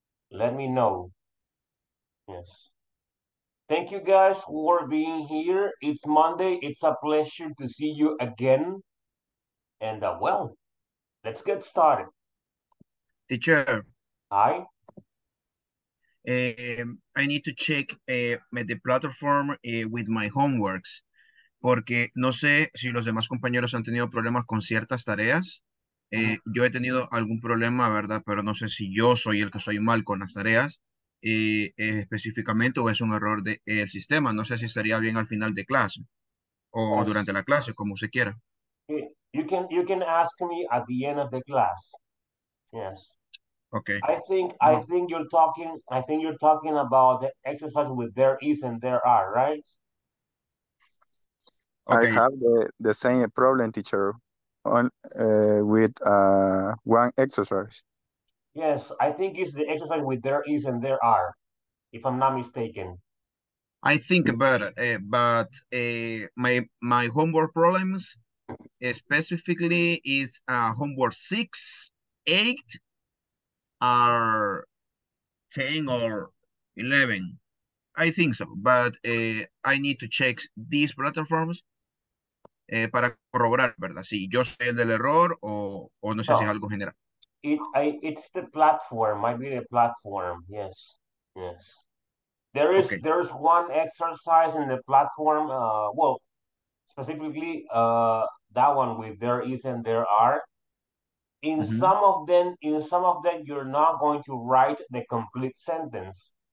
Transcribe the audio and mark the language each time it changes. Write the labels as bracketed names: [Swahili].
[English] Let me know. Yes. Thank you guys for being here. It's Monday. It's a pleasure to see you again. And well, let's get started. Teacher. Hi. I need to check the platform with my homeworks. [Spanish] Porque no sé si los demás compañeros han tenido problemas con ciertas tareas. Yo he tenido algún problema, ¿verdad? Pero no sé si yo soy el que soy mal con las tareas específicamente o es un error del sistema. No sé si estaría bien al final de clase o [English] Yes. [Spanish] durante la clase, como usted quiera. [English] You can ask me at the end of the class. Yes. Okay. I think you're talking about the exercise with there is and there are, right? Okay. I have the same problem, teacher, on with one exercise. Yes, I think it's the exercise with there is and there are, if I'm not mistaken. I think about it, but my homework problems, specifically, is homework 6, 8, or 10, or 11. I think so, but I need to check these platforms [Spanish] para corroborar, ¿verdad? Si yo soy el del error o no sé si es algo general. [English] It's the platform, might be the platform, yes. Yes. There is Okay. there's one exercise in the platform, well, specifically that one with there is and there are. In some of them you're not going to write the complete sentence.